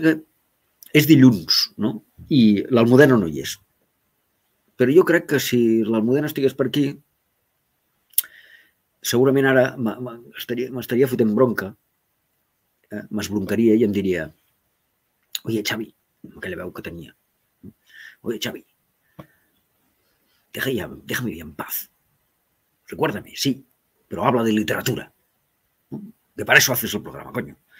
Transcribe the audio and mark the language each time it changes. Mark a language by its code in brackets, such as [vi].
[ca] Que és dilluns, no? I l'Almudena no hi és. Però jo crec que si l'Almudena estigués per aquí, segurament ara m'estaria fotent bronca, m'esbroncaria i em diria: [es] oye, Xavi, [ca] amb aquella veu que tenia. [es] Oye, Xavi, déjame vivir en paz. Recuérdame, sí, [ca] però [es] habla de literatura. De para eso haces el programa, coño.